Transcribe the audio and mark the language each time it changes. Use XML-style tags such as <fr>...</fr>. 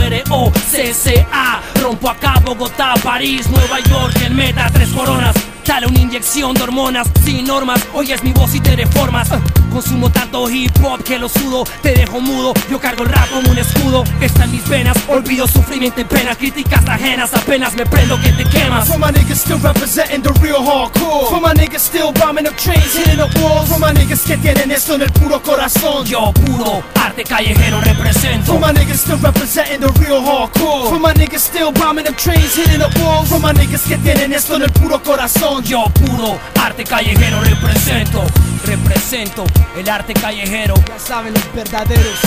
<es>R.O.C.C.A. Rompo acá, Bogotá, París, Nueva York, el meta, tres coronas. Dale una inyección de hormonas, sin normas, hoy es mi voz y te deformas. Consumo tanto hip hop que lo sudo, te dejo mudo, yo cargo el rap como un escudo. Está en mis venas, olvido sufrimiento y pena, críticas ajenas, apenas me prendo que te quemas.</es> <en>For my niggas still representing the real hardcore. For my niggas still bombing up trains, hitting up walls. For my niggas</en> <es>que tienen esto en el puro corazón. Yo puro arte callejero represento.</es> <en>For my niggas still representing the real hardcore. For my niggas still bombing up trains, hitting up walls. For my niggas</en> <es>que tienen esto en el puro corazón. Yo puro arte callejero represento. Represento el arte callejero. Ya saben los verdaderos.</es>